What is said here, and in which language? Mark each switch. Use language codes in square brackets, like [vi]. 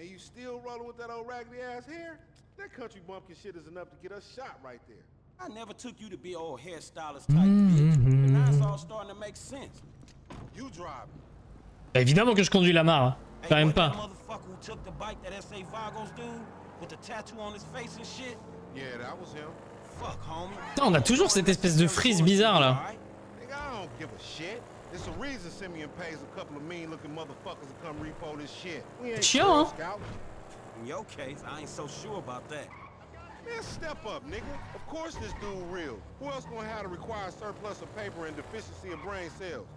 [en] And you still rolling with that old raggedy ass hair? That country bumpkin shit is enough to get us shot right there. I never took you to be old hairstylist type bitch. And now it's all starting to make sense. You driving. [fr] Bah, évidemment que je conduis la marre. Hein. Quand hey, même pas. [en] That motherfucker who took the bike that S.A. Vagos dude with the tattoo on his face and shit? Yeah, that was him. Fuck, homie. [fr] Putain, on a toujours cette espèce de frise bizarre là. [en] Nigga, I don't give a shit. It's a reason Simeon pays a couple of mean-looking motherfuckers to come repo this shit. We ain't sure. Scout. In your case, I ain't so sure about that. Man, step up, nigga. Of course this dude real. Who else gonna have to require a surplus of paper and deficiency of brain cells?